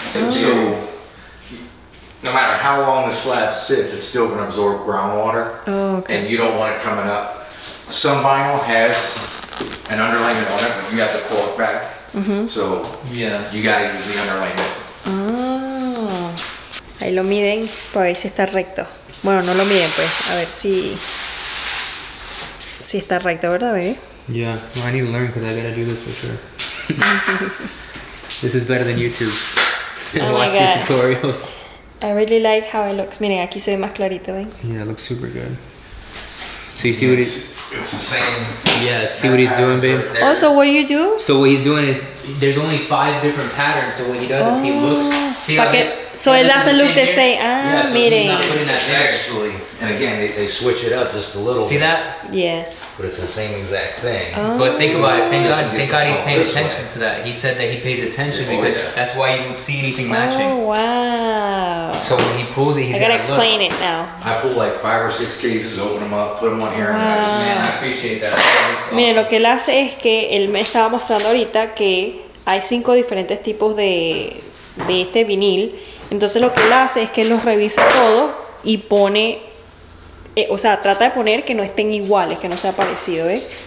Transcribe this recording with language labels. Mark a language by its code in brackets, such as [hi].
[en] So, no matter how long the slab sits, it's still gonna absorb groundwater. Oh, okay. And you don't want it coming up. Some vinyl has an underlayment on it, but you have to pull it back. Mm-hmm. So yeah, you gotta use the underlayment. Oh. [es] Ahí lo miden para ver si está recto. Bueno, no lo miden, pues. A ver si... si está recto, ¿verdad, baby? [en] Yeah. Well, I need to learn because I gotta do this for sure. This is better than YouTube. Oh, watch God. The tutorials. I really like how it looks. [es] Miren, aquí se ve más clarito, ¿ven? [en] Yeah, it looks super good. So you see what he's... It's the same. Yeah, see what he's doing, babe? Also, what you do? So what he's doing is, there's only five different patterns. So what he does is he looks... See how this... So it doesn't look the same. Ah, yeah, so miren. He's not putting that same. Actually, and again, they switch it up just a little. See that? Yeah. But it's the same exact thing. Oh. But think about it. Thank God. Thank God he's paying attention to that. He said that he pays attention because that's why you don't see anything matching. Oh wow. So when he pulls it, he's gonna explain it now. I pull like 5 or 6 cases, open them up, put them on here, and I just, man, I appreciate that. That awesome. [es] Miren, lo que él hace es que él me estaba mostrando ahorita que hay 5 diferentes tipos de este vinil. Entonces lo que él hace es que él los revisa todo y pone, o sea, trata de poner que no estén iguales, que no sea parecido, ¿eh?